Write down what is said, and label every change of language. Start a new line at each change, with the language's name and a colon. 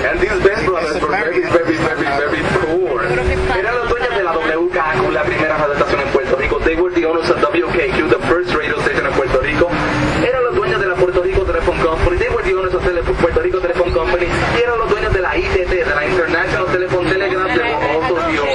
English: And these Ben Brothers were very, very, very, very poor.
Spanish: Eran los dueños de la WKQ, la primera radio estación en Puerto Rico.
English: They were the owners of WKQ, the first radio station in Puerto Rico.
Spanish: Eran los dueños de la Puerto Rico Telephone Company.
English: They were the owners of Puerto Rico Telephone Company.
Spanish: Y eran los dueños de la ITT, de la International Telephone Telegram, de los otros idiomas.